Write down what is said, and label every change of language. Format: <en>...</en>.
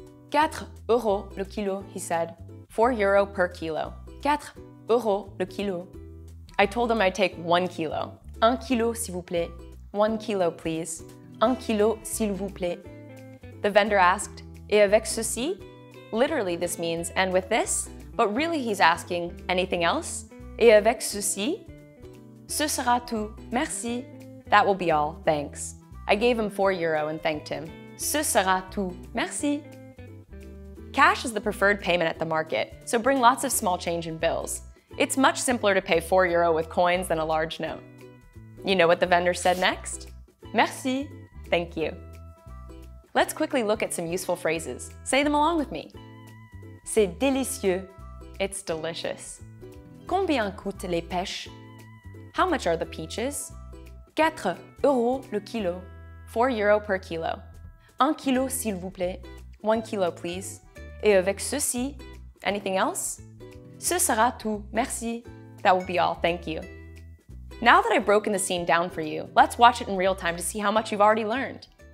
<fr>4 euros le kilo,</fr> <en>he said. 4 euro per kilo.</en> <fr>4 euros le kilo.</fr> <en>I told him I'd take 1 kilo.</en> <fr>1 kilo, s'il vous plaît.</fr> <en>1 kilo, please.</en> <fr>1 kilo, s'il vous plaît.</fr> <en>The vendor asked,</en> <fr>Et avec ceci?</fr> <en>Literally, this means, and with this? But really, he's asking, anything else?</en> <fr>Et avec ceci? Ce sera tout. Merci.</fr> <en>That will be all. Thanks. I gave him 4 euro and thanked him.</en> <fr>Ce sera tout. Merci.</fr> <en>Cash is the preferred payment at the market, so bring lots of small change in bills. It's much simpler to pay 4 euro with coins than a large note. You know what the vendor said next?</en> <fr>Merci.</fr> <en>Thank you. Let's quickly look at some useful phrases. Say them along with me.</en> <fr>C'est délicieux.</fr> <en>It's delicious.</en> <fr>Combien coûtent les pêches?</fr> <en>How much are the peaches?</en> <fr>4 euros le kilo.</fr> <en>4 euro per kilo.</en> <fr>1 kilo, s'il vous plaît.</fr> <en>1 kilo, please.</en> <fr>Et avec ceci,</fr> <en>anything else?</en> <fr>Ce sera tout, merci.</fr> <en>That will be all, thank you. Now that I've broken the scene down for you, let's watch it in real time to see how much you've already learned.</en>